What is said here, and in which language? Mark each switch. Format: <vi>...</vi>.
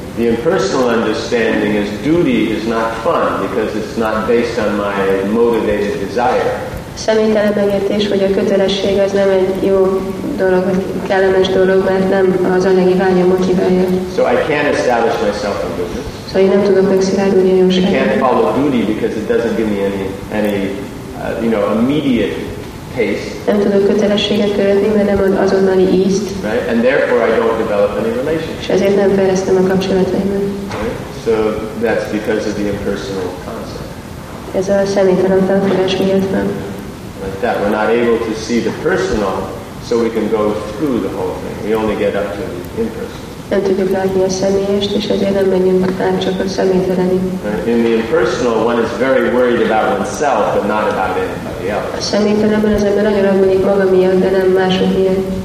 <en>The impersonal understanding is duty is not fun because it's not based on my motivated desire.</en> <hu>Személytelen megértés, hogy a kötelesség az nem egy jó dolog, vagy kellemes dolog, mert nem az anyagi vágyam motiválja.</hu> <en>So I can't establish myself in business.</en> <hu>Szóval én nem tudok megszilárdulni a jóságban.</hu> <en>I can't follow duty because it doesn't give me any you know, immediate taste.</en> <hu>Nem tudok kötelességet követni, mert nem ad azonnali ízt.</hu> <en>Right? And therefore I don't develop any relationship.</en> <hu>És ezért nem fejlesztem a kapcsolataimat.</hu> <en>Right? So that's because of the impersonal concept.</en> <hu>Ez a személytelen felfogás miatt van.</hu> <en>Like that, we're not able to see the personal, so we can go through the whole thing. We only get up to the impersonal.</en> <hu>Nem tudjuk látni a személyest, és ezért nem menjünk át csak a személytelenig.</hu> <en>In the impersonal, one is very worried about oneself, but not about anybody else.</en> <hu>A személytelenben az ember nagyon aggódik maga miatt, de nem mások miatt.</hu>